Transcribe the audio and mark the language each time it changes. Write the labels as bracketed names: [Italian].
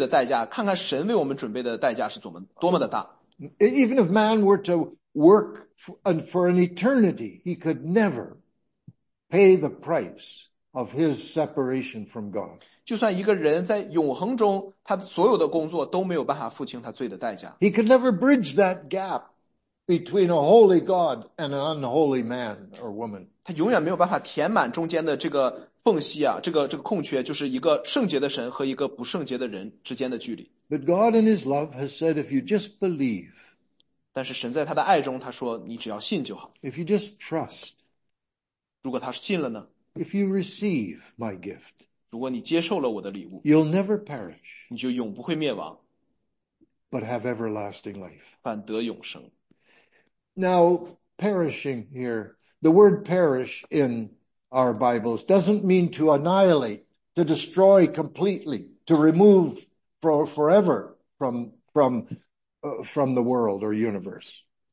[Chinese] 我们永远没有办法付清我们罪的代价,看看神为我们准备的代价是多么的大。 [English] Even if man were to work for an eternity, he could never pay the price of his separation from God. [Chinese] 就算一个人在永恒中,他所有的工作都没有办法付清他罪的代价。 [English] He could never bridge that gap between a holy God and an unholy man or woman. [Chinese] 他永远没有办法填满中间的这个缝隙啊,这个空缺,就是一个圣洁的神和一个不圣洁的人之间的距离。 [English] But God in his love has said, if you just believe, [Chinese] 但是神在他的爱中,他说,你只要信就好。 [English] If you just trust, [Chinese] 如果他信了呢? [English] If you receive my gift, [Chinese] 如果你接受了我的礼物, [English] you'll never perish, [Chinese] 你就永不会灭亡, [English] but have everlasting life. [Chinese] 反得永生。 [English] Now, perishing here, the word perish in our Bibles doesn't mean to annihilate, to destroy completely, to remove forever from the world or universe.